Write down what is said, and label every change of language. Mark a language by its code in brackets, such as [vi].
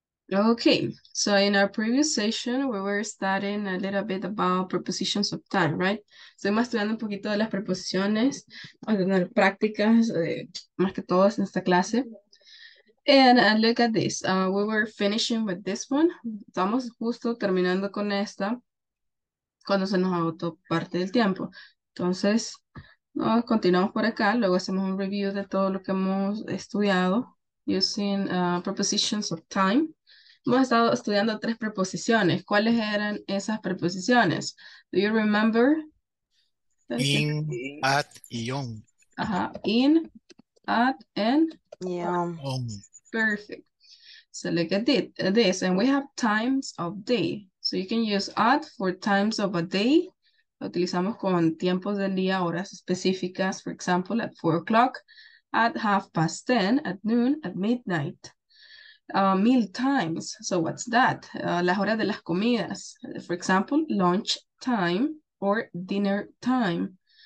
[en] Okay, so in our previous session, we were studying a little bit about prepositions of time, right? [es] Estuvimos estudiando un poquito de las preposiciones, prácticas, más que todo en esta clase. [en] And look at this, we were finishing with this one. [es] Estamos justo terminando con esta cuando se nos agotó parte del tiempo. Entonces, no, continuamos por acá, luego hacemos un review de todo lo que hemos estudiado [en] using prepositions of time. [es] Hemos estado estudiando tres preposiciones. ¿Cuáles eran esas preposiciones? [en] Do you remember? In, at, y on. Ajá. In, at, and, or. Yeah. On. Perfect. So look at this. And we have times of day. So you can use at for times of a day. [es] Lo utilizamos con tiempos del día, horas específicas. [en] For example, at 4 o'clock, at half past 10, at noon, at midnight. Meal times. So what's that? [es] Las horas de las comidas. [en] For example, lunch time or dinner time.